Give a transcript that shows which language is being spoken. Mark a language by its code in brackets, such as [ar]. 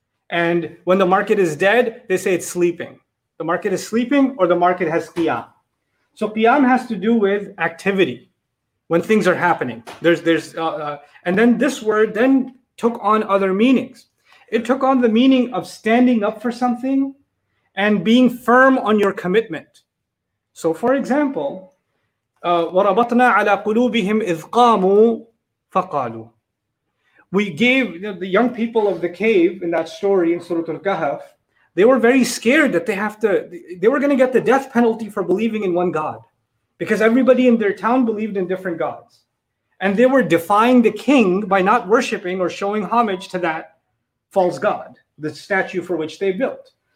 [en] And when the market is dead, they say it's sleeping. The market is sleeping or the market has qiyam. So qiyam has to do with activity, when things are happening. And then this word then took on other meanings. It took on the meaning of standing up for something and being firm on your commitment. So for example, [ar] وَرَبَطْنَا عَلَىٰ قُلُوبِهِمْ إِذْ قَامُوا فَقَالُوا. [en] We gave the young people of the cave in that story in Surah Al-Kahf, they were very scared that they were going to get the death penalty for believing in one God, because everybody in their town believed in different gods. And they were defying the king by not worshiping or showing homage to that false god, the statue for which they built.